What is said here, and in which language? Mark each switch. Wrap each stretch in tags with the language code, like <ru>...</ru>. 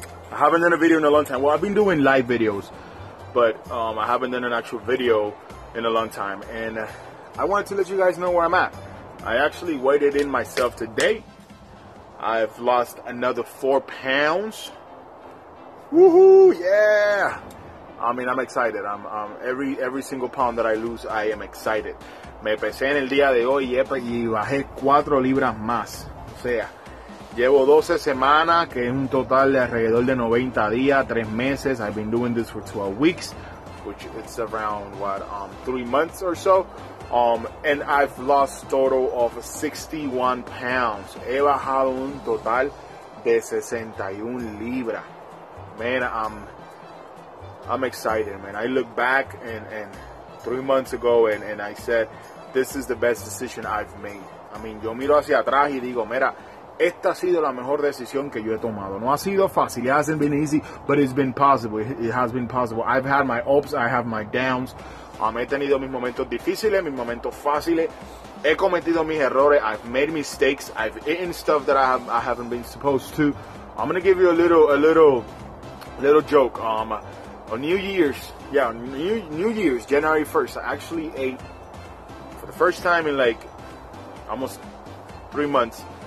<en>I haven't done a video in a long time. Well, I've been doing live videos, but I haven't done an actual video in a long time, and I wanted to let you guys know where I'm at. I actually weighed in myself today. I've lost another 4 pounds. Woohoo! Yeah. I mean, I'm excited. I'm every single pound that I lose, I am excited.</en> <es>Me pesé en el día de hoy y bajé 4 libras más. O sea, llevo 12 semanas, que es un total de alrededor de 90 días, 3 meses.</es> <en>I've been doing this for 12 weeks, which it's around, 3 months or so. And I've lost total of 61 pounds. He bajado un total de 61 libras. Man, I'm excited, man. I look back and 3 months ago and I said, this is the best decision I've made. I mean,</en> <es>yo miro hacia atrás y digo, mira, esta ha sido la mejor decisión que yo he tomado. No ha sido fácil.</es> <en>It hasn't been easy, but it's been possible. It has been possible. I've had my ups. I have my downs.</en> <es>He tenido mis momentos difíciles, mis momentos fáciles. He cometido mis errores.</es> <en>I've made mistakes. I've eaten stuff that I haven't been supposed to. I'm going to give you a little joke. On New Year's, January 1st, I actually ate for the first time in like almost 3 months.</en>